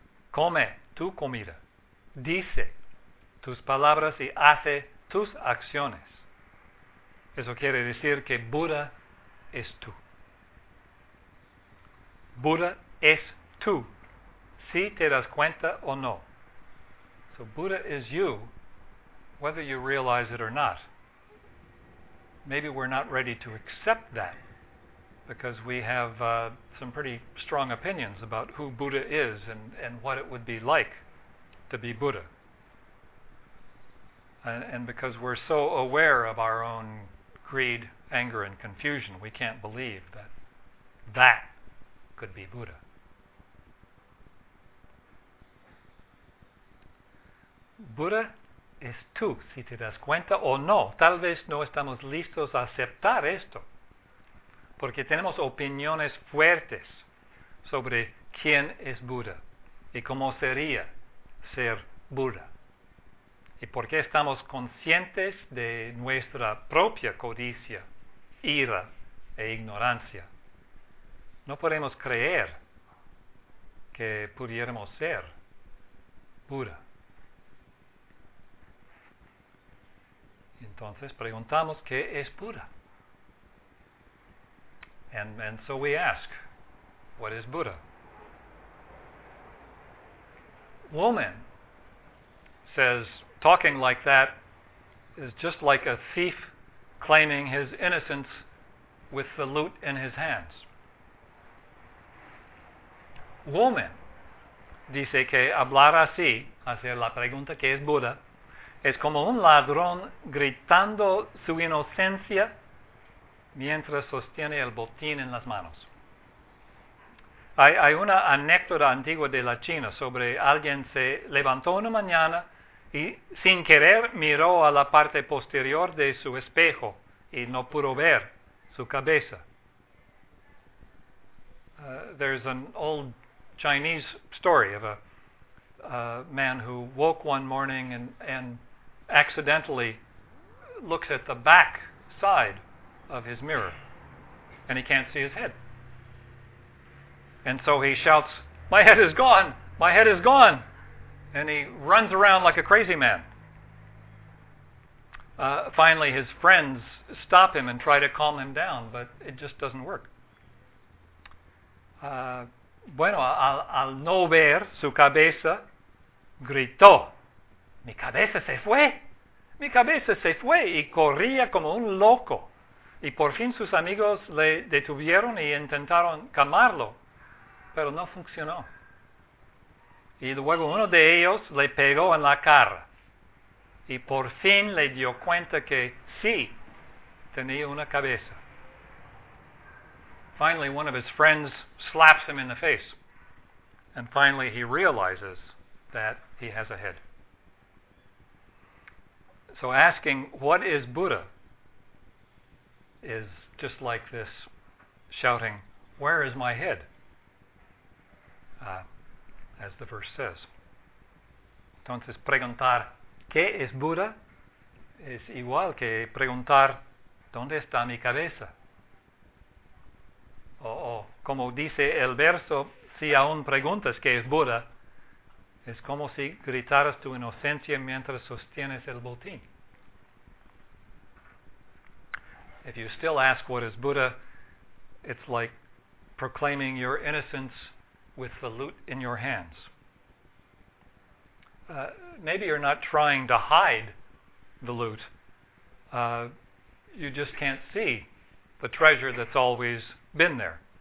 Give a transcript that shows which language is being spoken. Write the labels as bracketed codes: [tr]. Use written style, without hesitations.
[es] Come tu comida, dice tus palabras y hace tus acciones. Eso quiere decir que Buda es tú. Buda es tú, si te das cuenta o no. [en] So Buddha is you, whether you realize it or not. Maybe we're not ready to accept that because we have some pretty strong opinions about who Buddha is and what it would be like to be Buddha. And because we're so aware of our own greed, anger, and confusion, we can't believe that that could be Buddha. [es] Buddha es tú, si te das cuenta o no. Tal vez no estamos listos a aceptar esto, porque tenemos opiniones fuertes sobre quién es Buddha y cómo sería ser Buddha. Y porque estamos conscientes de nuestra propia codicia, ira e ignorancia. No podemos creer que pudiéramos ser Buddha. Entonces preguntamos qué es Buda. [en] And so we ask, what is Buddha? Lomen says, talking like that is just like a thief claiming his innocence with the loot in his hands. [es] Lomen dice que hablar así, hacer la pregunta que es Buda, es como un ladrón gritando su inocencia mientras sostiene el botín en las manos. Hay una anécdota antigua de la China sobre alguien se levantó una mañana y sin querer miró a la parte posterior de su espejo y no pudo ver su cabeza. [en] There's an old Chinese story of a man who woke one morning and accidentally looks at the back side of his mirror and he can't see his head. And so he shouts, "My head is gone! My head is gone!" And he runs around like a crazy man. Finally, his friends stop him and try to calm him down, but it just doesn't work. [es] Bueno, al no ver su cabeza, gritó, "Mi cabeza se fue! Mi cabeza se fue!" Y corría como un loco. Y por fin sus amigos le detuvieron y intentaron calmarlo, pero no funcionó. Y luego uno de ellos le pegó en la cara. Y por fin le dio cuenta que sí, tenía una cabeza. [en] Finally, one of his friends slaps him in the face. And finally, he realizes that he has a head. So asking, what is Buddha? Is just like this shouting, where is my head? As the verse says. [es] Entonces, preguntar, ¿qué es Buda? Es igual que preguntar, ¿dónde está mi cabeza? O como dice el verso, si aún preguntas qué es Buda, es como si gritaras tu inocencia mientras sostienes el botín. [en] If you still ask what is Buddha, it's like proclaiming your innocence with the lute in your hands. Maybe you're not trying to hide the lute. You just can't see the treasure that's always been there.